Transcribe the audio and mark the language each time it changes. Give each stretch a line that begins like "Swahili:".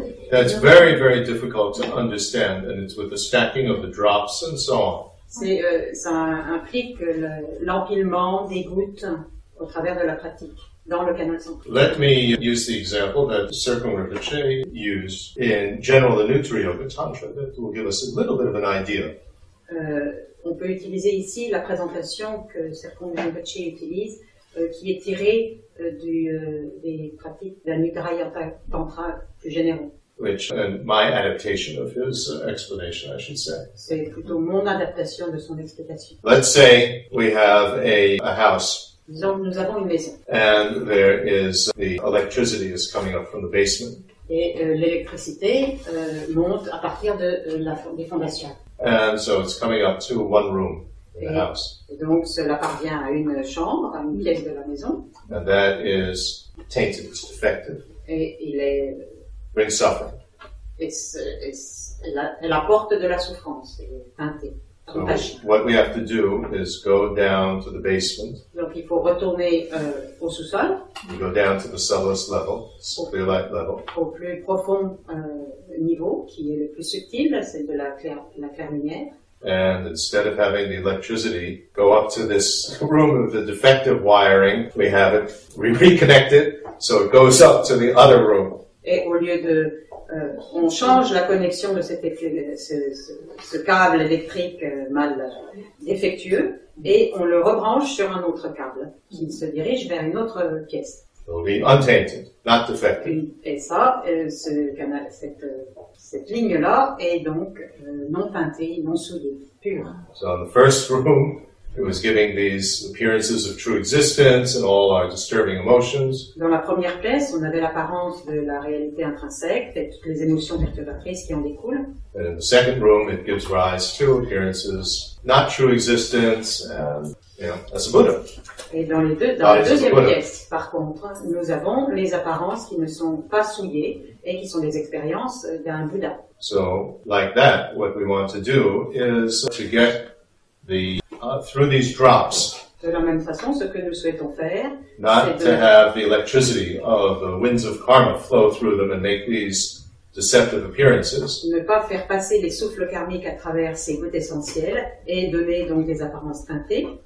English: That's very, very difficult to understand, and it's with the stacking of the drops and so on.
French: Ça implique l'empilement des gouttes au travers de la pratique dans le canal central.
English: Let me use the example that Circum Rinpoche used in General Anutri Yoga Tantra that will give us a little bit of an idea.
French: On peut utiliser ici la présentation que Circum Rinpoche utilise. Qui est tiré des pratiques de la Nidraya Tantra plus généraux.
English: Which, and my adaptation of his explanation, I should say.
French: C'est plutôt mon adaptation de son explication.
English: Let's say we have a house.
French: Disons que nous avons une maison.
English: And there is the electricity is coming up from the basement.
French: Et l'électricité monte à partir de des fondations.
English: And so it's coming up to one room.
French: Et donc cela parvient à une chambre, à une pièce de la maison.
English: And that is tainted, it's defective.
French: Et il est.
English: Brings suffering.
French: Elle apporte de la souffrance, elle est teintée.
English: So what we have to do is go down to the basement.
French: Donc il faut retourner au sous-sol.
English: We go down to the subtlest level, clear light level.
French: Au plus profond niveau, qui est le plus subtil, c'est de la clairière.
English: And instead of having the electricity go up to this room of the defective wiring, we have it, we reconnect it, so it goes up to the other room.
French: Et au lieu de, on change la connexion de ce câble électrique mal défectueux et on le rebranche sur un autre câble qui se dirige vers une autre pièce.
English: It'll be untainted, not defective.
French: Et ça, ce canal, cette ligne-là est donc non teintée, non souillée, pure.
English: So in the first room, it was giving these appearances of true existence and all our disturbing emotions.
French: Dans la première pièce, on avait l'apparence de la réalité intrinsèque et toutes les émotions perturbatrices qui en découlent.
English: And in the second room, it gives rise to appearances not true existence and, as a Buddha.
French: Et dans les deux, dans la deuxième pièce, par contre, nous avons les apparences qui ne sont pas souillées et qui sont des expériences d'un Bouddha.
English: So, like that, what we want to do is to get the through these drops.
French: De la même façon, ce que nous souhaitons faire,
English: not
French: c'est
English: to have the electricity of the winds of karma flow through them and make these deceptive appearances.
French: Ne pas faire passer les souffles karmiques à travers ces gouttes essentielles et donner donc des apparences teintées.